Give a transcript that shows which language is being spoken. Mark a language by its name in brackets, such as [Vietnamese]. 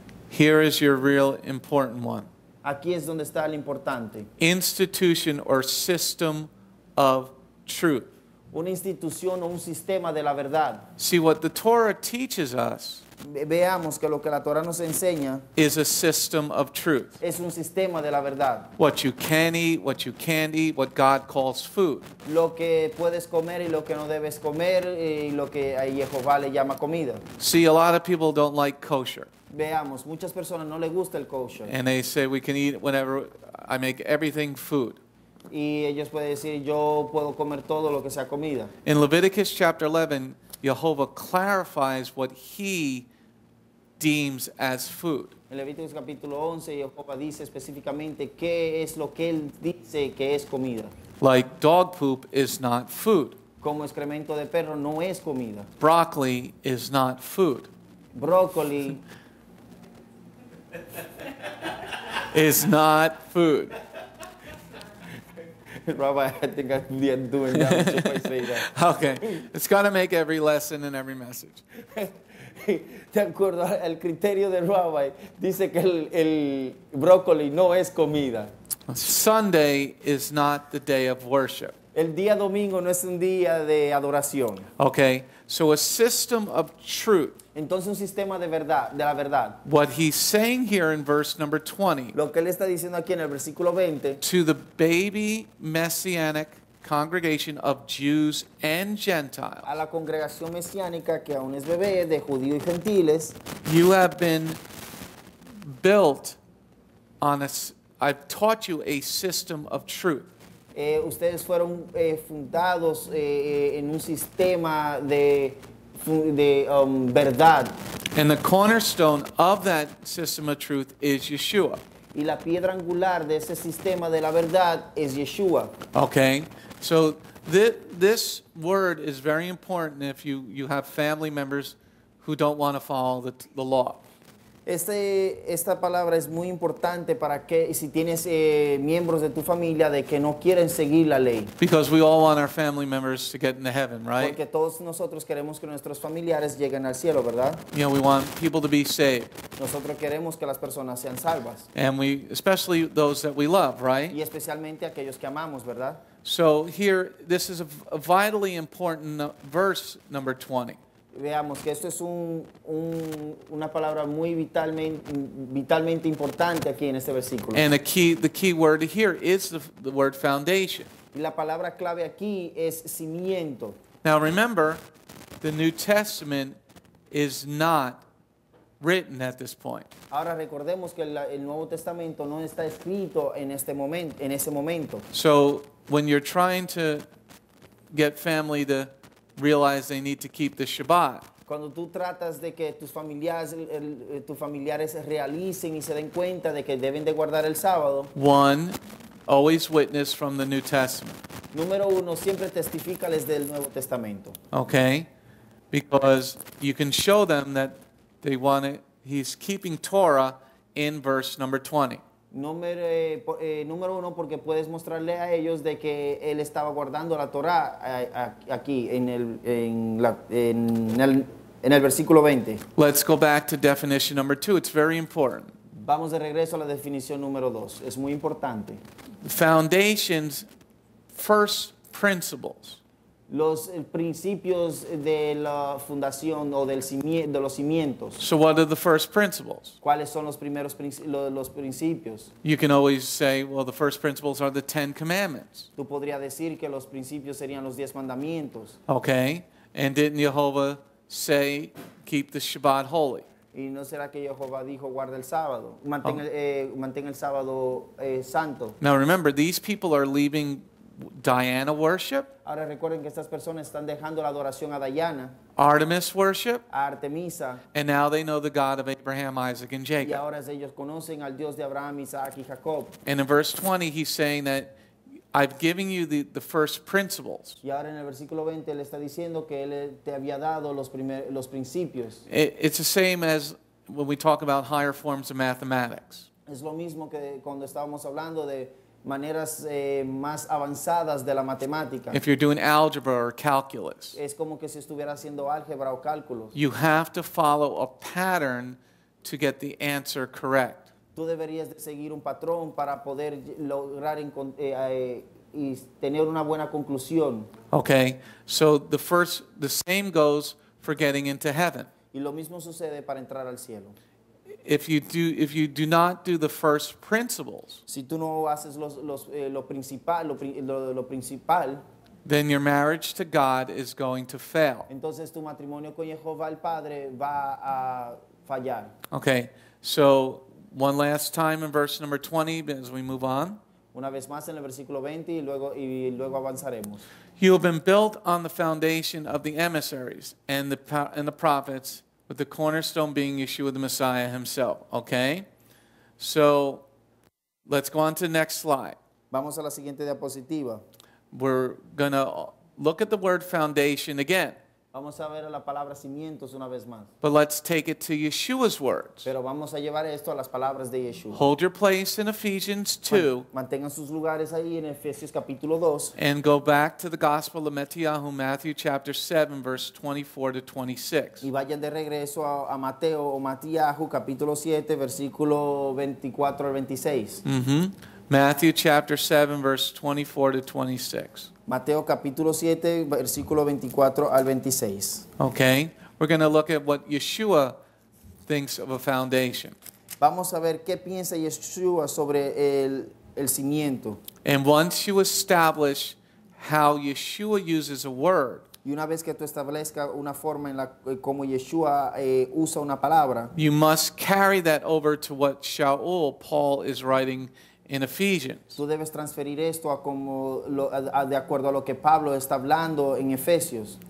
[English] Here is your real important one. [Spanish] Aquí es donde está el importante. [English] Institution or system of truth. [Spanish] Una institución o un sistema de la verdad. [English] See, what the Torah teaches us, [Spanish] veamos que lo que la Torah nos enseña [English] is a system of truth. [Spanish] Es un sistema de la verdad. [English] What you can eat, what you can't eat, what God calls food. [Spanish] Lo que puedes comer y lo que no debes comer y lo que a Jehová le llama comida. [English] See, a lot of people don't like kosher. [Spanish] Veamos, muchas personas no le gusta el kosher. [English] And they say we can eat whenever I make everything food. [Spanish] Y ellos pueden decir yo puedo comer todo lo que sea comida. [English] In Leviticus chapter 11, Yehovah clarifies what he deems as food. [Spanish] En Levíticos capítulo 11, Yehovah dice específicamente qué es lo que él dice que es comida. [English] Like dog poop is not food. [Spanish] Como excremento de perro no es comida. [English] Broccoli is not food. Broccoli is not food. Rabbi, I think I'm doing that if I say that. Okay. It's got to make every lesson and every message. [Spanish] De acuerdo al criterio de Rabbi, dice que el brócoli no es comida. [English] Sunday is not the day of worship. [Spanish] El día domingo no es un día de adoración. [English] Okay. So a system of truth. [Spanish] Entonces un sistema de verdad, de la verdad. [English] What he's saying here in verse number 20. [Spanish] Lo que él está diciendo aquí en el versículo 20. [English] To the baby messianic congregation of Jews and Gentiles. [Spanish] A la congregación mesiánica que aún es bebé de judíos y gentiles. [English] You have been built on a. I've taught you a system of truth. [Spanish] Ustedes fueron fundados en un sistema de verdad. [English] And the cornerstone of that system of truth is Yeshua. [Spanish] Y la piedra angular de ese sistema de la verdad es Yeshua. [English] Okay, so this word is very important if you have family members who don't want to follow the law. [Spanish] Esta palabra es muy importante para que si tienes miembros de tu familia de que no quieren seguir la ley. [English] Because we all want our family members to get into heaven, right? [Spanish] Porque todos nosotros queremos que nuestros familiares lleguen al cielo, ¿verdad? [English] You know, we want people to be saved. [Spanish] Nosotros queremos que las personas sean salvas. [English] And we, especially those that we love, right? [Spanish] Y especialmente aquellos que amamos, ¿verdad? [English] So here, this is a vitally important verse number 20. [Spanish] Veamos que esto es una palabra muy vitalmente importante aquí en este versículo. [English] And the key word here is the word foundation. [Spanish] Y la palabra clave aquí es cimiento. [English] Now remember, the New Testament is not written at this point. [Spanish] Ahora recordemos que el Nuevo Testamento no está escrito en ese momento. [English] So when you're trying to get family to realize they need to keep the Shabbat. [Spanish] Cuando tú tratas de que tus familiares realicen y se den cuenta de que deben de guardar el sábado. [English] One, always witness from the New Testament. [Spanish] Número uno, siempre testifícales del Nuevo Testamento. [English] Okay, because you can show them that they want it. He's keeping Torah in verse number 20. [Spanish] Número uno, porque puedes mostrarle a ellos de que él estaba guardando la Torah aquí en el versículo 20. [English] Let's go back to definition number two. It's very important. [Spanish] Vamos de regreso a la definición número dos. Es muy importante. [English] Foundations, first principles. [Spanish] Los principios de la fundación o de los cimientos. [English] So what are the first principles? [Spanish] ¿Cuáles son los primeros los principios? [English] You can always say, well, the first principles are the Ten Commandments. [Spanish] Tú podrías decir que los principios serían los 10 mandamientos. [English] Okay. And didn't Yehovah say, keep the Shabbat holy? [Spanish] ¿Y no será que Yehovah dijo, guarda el sábado? Mantén el sábado santo. [English] Now remember, these people are leaving Diana worship. [Spanish] Ahora recuerden que estas personas están dejando la adoración a Diana. [English] Artemis worship. [Spanish] A Artemisa. [English] And now they know the God of Abraham, Isaac, and Jacob. [Spanish] Y ahora ellos conocen al Dios de Abraham, Isaac, y Jacob. [English] And in verse 20, he's saying that I've given you the first principles. [Spanish] Y ahora en el versículo 20 él está diciendo que él te había dado los principios. [English] It's the same as when we talk about higher forms of mathematics. [Spanish] Es lo mismo que cuando estábamos hablando de maneras más avanzadas de la matemática. [English] If you're doing algebra or calculus, [Spanish] es como que si estuviera haciendo álgebra o cálculos. [English] You have to follow a pattern to get the answer correct. [Spanish] Tú deberías de seguir un patrón para poder lograr y tener una buena conclusión. [English] Okay, so the same goes for getting into heaven. [Spanish] Y lo mismo sucede para entrar al cielo. [English] If you do not do the first principles, [Spanish] si tú no haces lo principal, [English] then your marriage to God is going to fail. [Spanish] Entonces tu matrimonio con Jehová el Padre va a fallar. [English] Okay, so one last time in verse number 20 as we move on. [Spanish] Una vez más en el versículo 20 y luego avanzaremos. [English] You have been built on the foundation of the emissaries and the prophets, with the cornerstone being Yeshua the Messiah himself. Okay? So, let's go on to the next slide. [Spanish] Vamos a la siguiente diapositiva. [English] We're going to look at the word foundation again. [Spanish] Vamos a ver la palabra cimientos una vez más. [English] But let's take it to Yeshua's words. [Spanish] Pero vamos a llevar esto a las palabras de Yeshua. [English] Hold your place in Ephesians 2. [Spanish] Mantengan sus lugares ahí en Efesios capítulo 2. [English] And go back to the Gospel of Matthew, Matthew chapter 7, verse 24 to 26. [Spanish] Y vayan de regreso a Mateo o Matiahu capítulo 7, versículo 24 al 26. [English] Mm-hmm. Matthew chapter 7, verse 24 to 26. [Spanish] Mateo capítulo 7, versículo 24 al 26. [English] Okay, we're going to look at what Yeshua thinks of a foundation. [Spanish] Vamos a ver qué piensa Yeshua sobre el cimiento. [English] And once you establish how Yeshua uses a word, [Spanish] y una vez que tú establezcas una forma en la como Yeshua usa una palabra, [English] you must carry that over to what Shaul, Paul, is writing in Ephesians. [Spanish] Tú debes transferir esto a como lo, a, de acuerdo a lo que Pablo está hablando en Efesios.